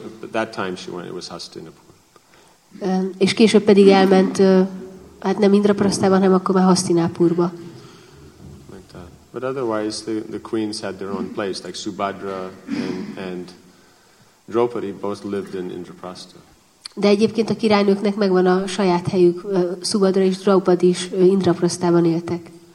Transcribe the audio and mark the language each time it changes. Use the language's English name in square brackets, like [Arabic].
[English] That time she went, it was Hastinapur. [Hungarian] És később pedig elment, hát nem Indraprasthában, hanem akkor már Hastinapurba. [English] Like, but otherwise the queens had their own place, like Subhadra and Draupadi both lived in Indraprastha. [Hungarian] De egyébként a királynőknek megvan a saját helyük, Subhadra és Draupadi is Indraprasthában éltek.